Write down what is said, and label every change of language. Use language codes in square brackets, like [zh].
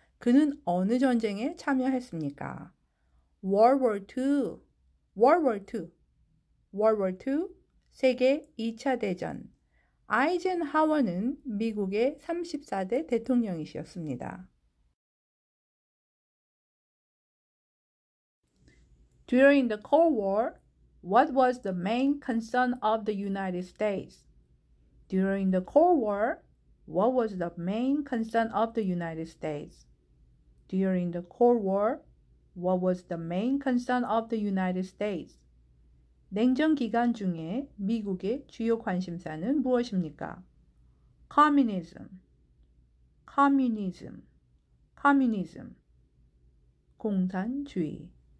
[ko] 그는 어느 전쟁에 참여했습니까? [en] World War II. World War II. World War II. [ko] 세계 2차 대전. 아이젠하워는 미국의 34대 대통령이셨습니다. [en] During the Cold War, what was the main concern of the United States? During the Cold War, what was the main concern of the United States? During the Cold War, what was the main concern of the United States? [ko] 냉전 기간 중에 미국의 주요 관심사는 무엇입니까? [en] Communism. Communism. Communism. [ko] 공산주의.